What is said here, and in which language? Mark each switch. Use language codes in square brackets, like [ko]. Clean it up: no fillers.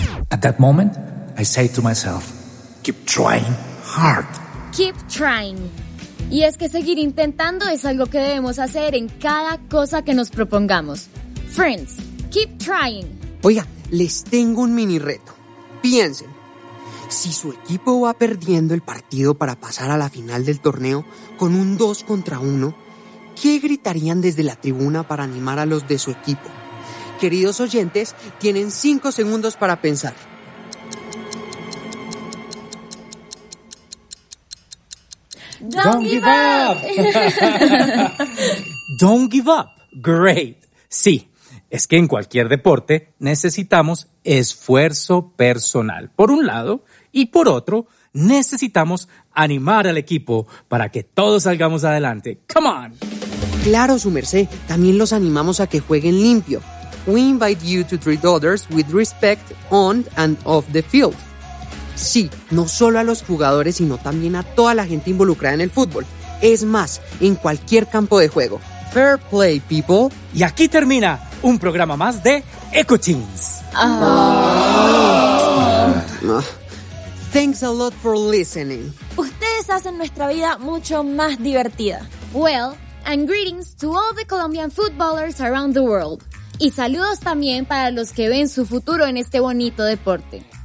[en] At that moment, I say to myself, keep trying hard. Keep trying. [es] Y es que seguir intentando es algo que debemos hacer en cada cosa que nos propongamos. [en] Friends, keep trying. [es] Oiga, les tengo un mini reto. Piensen, si su equipo va perdiendo el partido para pasar a la final del torneo con un 2-1, ¿qué gritarían desde la tribuna para animar a los de su equipo? Queridos oyentes, tienen 5 segundos para pensar. [en] Keep Don't give up. Don't give up. Great. [es] Sí, es que en cualquier deporte necesitamos esfuerzo personal, por un lado, y por otro, necesitamos animar al equipo para que todos salgamos adelante. [en] Come on. [es] Claro, su merced. También los animamos a que jueguen limpio. [en] We invite you to treat others with respect on and off the field. [es] Sí, no solo a los jugadores, sino también a toda la gente involucrada en el fútbol. Es más, en cualquier campo de juego. [en] Fair play, people. [es] Y aquí termina un programa más de Eco Teens. [en] Thanks a lot for listening. [es] Ustedes hacen nuestra vida mucho más divertida. [en] Well, and greetings to all the Colombian footballers around the world. [es] Y saludos también para los que ven su futuro en este bonito deporte.